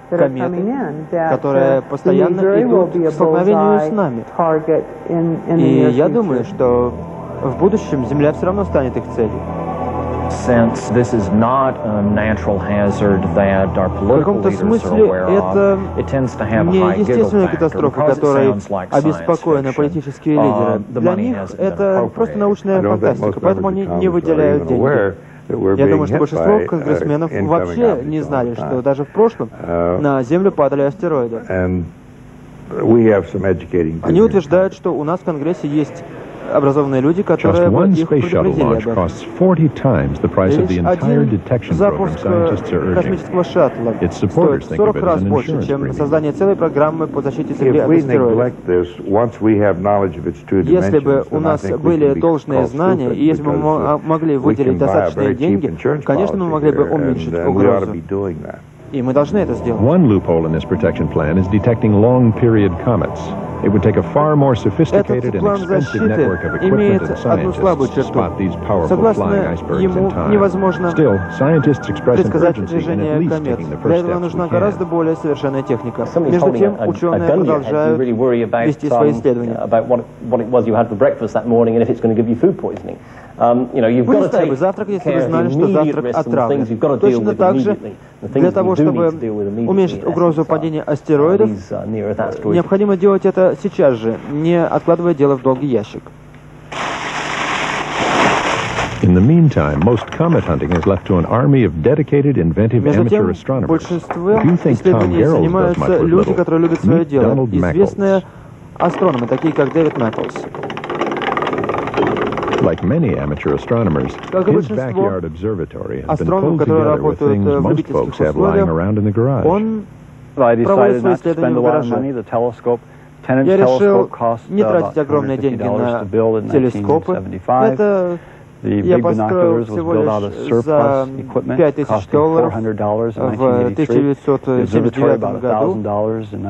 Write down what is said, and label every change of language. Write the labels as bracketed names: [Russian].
[Russian] кометы, которые постоянно идут к столкновению с нами. И я думаю, что в будущем Земля все равно станет их целью. [English] Since this is not a natural hazard that our political leaders are aware of, it tends to have a high giggle factor. Because it sounds like science fiction, the money has been appropriated. I don't think most members of Congress are aware. [Russian] Я думаю, что большинство конгрессменов вообще не знали, что даже в прошлом на Землю падали астероиды. Они утверждают, что у нас в Конгрессе есть образованные люди, которые бы их предупредили об этом. Лишь один запуск космического шаттла стоит 40 раз больше, чем создание целой программы по защите Земли от астероидов. Если бы у нас были должные знания, и если бы мы могли выделить достаточные деньги, конечно, мы могли бы уменьшить угрозу. И мы должны это сделать. [English] One loophole in this protection plan is detecting long-period comets. It would take a far more sophisticated and expensive network of equipment and scientists to spot these powerful flying icebergs in time. Still, scientists express an urgency in at least taking the first steps. [Russian] Нужна гораздо более совершенная техника. Между тем, ученые продолжают вести свои исследования. [English] About what it was you had for breakfast that morning, and if it's going to give you food poisoning. You've got to take care of the immediate risks and things you've got to deal with immediately. [Russian] Для того, чтобы уменьшить угрозу падения астероидов, необходимо делать это сейчас же, не откладывая дело в долгий ящик. [English] In the meantime, most comet hunting is left to an army of dedicated, inventive amateur astronomers. [Russian] Между тем, большинство исследований занимаются люди, которые любят свое дело. Известные астрономы, такие как Дэвид Макклс. [English] Like many amateur astronomers, his backyard observatory has been pulled together with things most folks have lying around in the garage. [Russian] Он проводит свои исследования в гараже. Я решил не тратить огромные деньги на телескопы. Это я построил всего лишь за $5,000 в 1979 году.